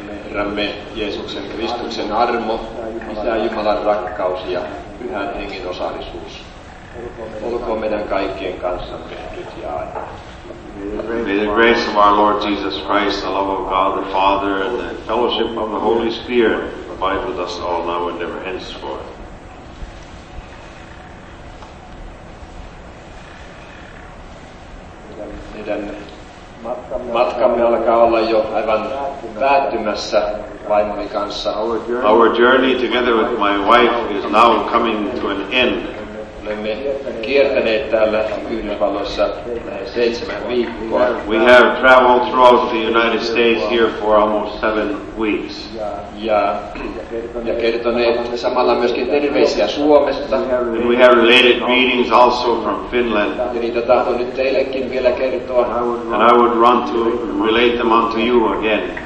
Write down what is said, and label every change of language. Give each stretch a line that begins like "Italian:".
Finnish: Herramme Jeesuksen Kristuksen armo, Isä Jumalan rakkaus ja Pyhän Hengen osallisuus. Olkoon meidän kaikkien kanssamme nyt ja aina.
English: May the grace of our Lord Jesus Christ, the love of God the Father, and the fellowship of the Holy Spirit abide with us all now and ever henceforth.
Finnish: Meidän matkamme alkaa olla jo aivan päättymässä vaimoni kanssa.
English: Our journey together with my wife is now coming to an end.
Finnish: Olemme kiertäneet täällä Yhdysvalloissa lähes 7 viikkoa.
English: We have traveled throughout the United States here for almost 7 weeks.
Finnish: Ja kertoneet samalla myöskin terveisiä Suomesta.
English: And we have related greetings also from Finland.
Finnish: Ja niitä tahdon nyt teillekin vielä kertoa.
English: And I would want to relate them unto you again.